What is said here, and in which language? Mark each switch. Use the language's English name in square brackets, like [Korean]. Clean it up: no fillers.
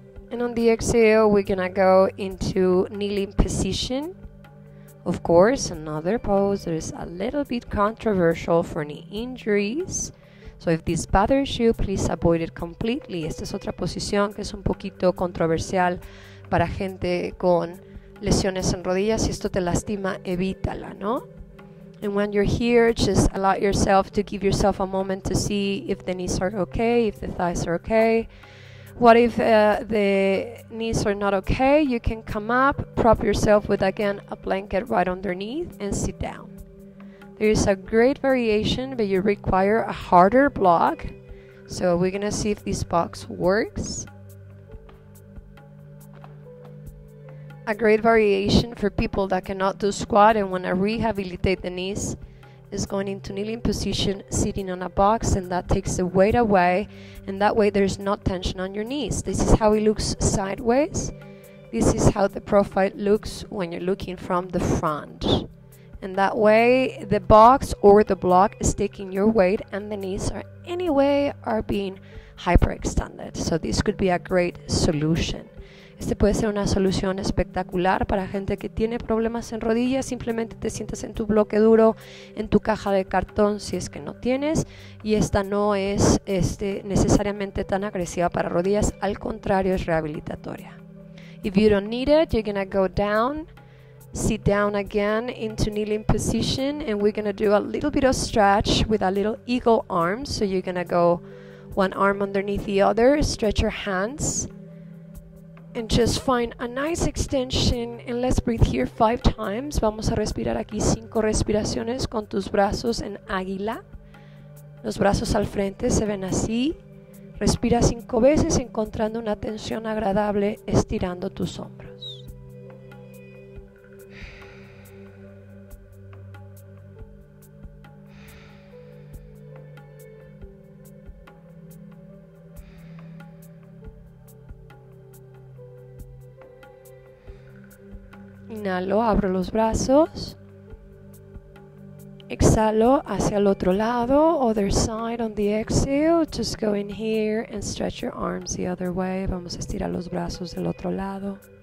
[English] And on the exhale, we're gonna go into kneeling position. Of course, another pose that is a little bit controversial for knee injuries. So if this bothers you, please avoid it completely. [Spanish] Esta es otra posición que es un poquito controversial para gente con lesiones en rodillas. Si esto te lastima, evítala, ¿no? [English] And when you're here, just allow yourself to give yourself a moment to see if the knees are okay, if the thighs are okay. What if the knees are not okay? You can come up, prop yourself with, again, a blanket right underneath and sit down. There is a great variation, but you require a harder block. So we're gonna see if this box works. A great variation for people that cannot do squat and wanna rehabilitate the knees is going into kneeling position, sitting on a box, and that takes the weight away, and that way there's not tension on your knees. This is how it looks sideways. This is how the profile looks when you're looking from the front. And that way, the box or the block is taking your weight, and the knees are anyway are being hyperextended. So this could be a great solution. [Spanish] Este puede ser una solución espectacular para gente que tiene problemas en rodillas. Simplemente te sientas en tu bloque duro, en tu caja de cartón, si es que no tienes. Y esta no es necesariamente tan agresiva para rodillas. Al contrario, es rehabilitatoria. [English] If you don't need it, you're gonna go down, sit down again into kneeling position, and we're gonna do a little bit of stretch with a little eagle arm. So you're gonna go one arm underneath the other, stretch your hands, and just find a nice extension, and let's breathe here 5 times. [Spanish] Vamos a respirar aquí 5 respiraciones con tus brazos en águila. Los brazos al frente se ven así. Respira 5 veces encontrando una tensión agradable, estirando tus hombros. Inhalo, abro los brazos. Exhalo hacia el otro lado, [English] other side on the exhale. Just go in here and stretch your arms the other way. [Spanish] Vamos a estirar los brazos del otro lado.